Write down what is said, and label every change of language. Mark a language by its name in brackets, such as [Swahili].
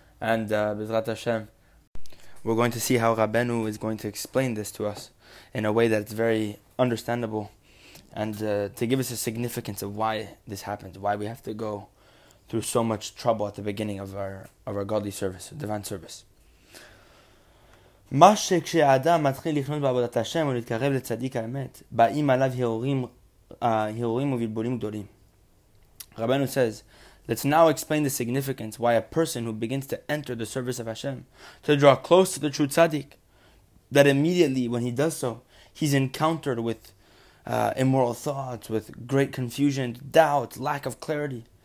[English] And Bezrat Hashem, we're going to see how Rabbeinu is going to explain this to us in a way that's very understandable, and to give us a significance of why this happens, why we have to go through so much trouble at the beginning of our godly service, divine service. [Hebrew] מה שכשהאדם מתחיל לכנות בעבודת השם ולהתקרב לצדיק האמת, באים עליו הרהורים ובלבולים גדולים. [English] Rabbeinu says, let's now explain the significance why a person who begins to enter the service of Hashem, to draw close to the true tzaddik, that immediately when he does so, he's encountered with immoral thoughts, with great confusion, doubt, lack of clarity.